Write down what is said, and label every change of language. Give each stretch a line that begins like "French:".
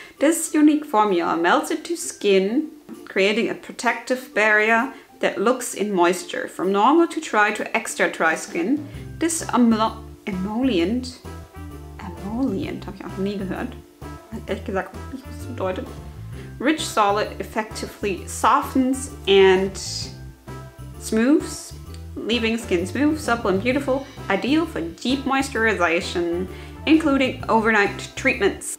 English: This unique formula melts into skin, creating a protective barrier that looks in moisture. From normal to dry to extra dry skin, this emollient.
German: Emollient, habe ich auch nie gehört. Ehrlich gesagt, ich weiß nicht, was das bedeutet.
English: Rich Solid effectively softens and smooths, leaving skin smooth, supple and beautiful, ideal for deep moisturization, including overnight treatments.